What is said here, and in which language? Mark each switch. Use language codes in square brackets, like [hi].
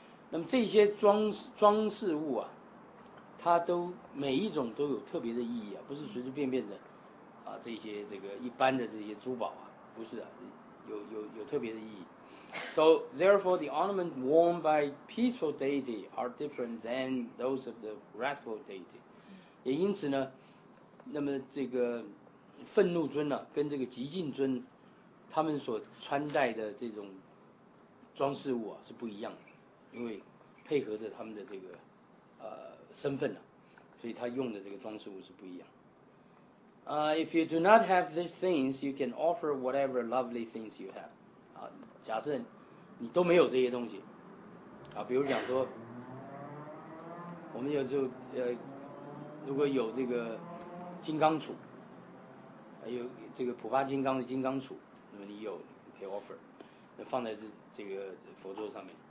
[zh] 那么这些 装饰物啊，它都每一种都有特别的意义啊，不是随随便便的啊，这些这个一般的这些珠宝啊，不是啊，有特别的意义。 [en] So therefore, the ornaments worn by peaceful deity are different than those of the wrathful deity. [zh] 也因此呢，那么这个愤怒尊呢、啊，跟这个极净尊，他们所穿戴的这种装饰物啊是不一样的，因为配合着他们的这个身份呢、啊，所以他用的这个装饰物是不一样。 [en] If you do not have these things, you can offer whatever lovely things you have. [zh] 啊，假设你都没有这些东西，啊，比如讲说，我们有时候如果有这个金刚杵，还有这个普巴金刚的金刚杵，那么你有你可以 offer， 那放在这个佛桌上面。